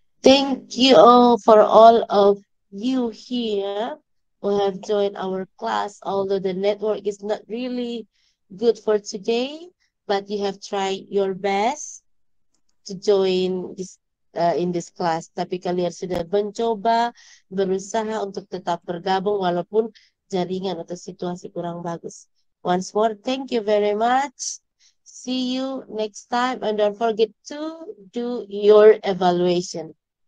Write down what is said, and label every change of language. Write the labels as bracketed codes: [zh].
[en] Thank you all for all of you here who have joined our class, although the network is not really good for today. But you have tried your best to join this, in this class. [id] Tapi kalian sudah mencoba, berusaha untuk tetap bergabung walaupun jaringan atau situasi kurang bagus. [en] Once more, thank you very much. See you next time. And don't forget to do your evaluation.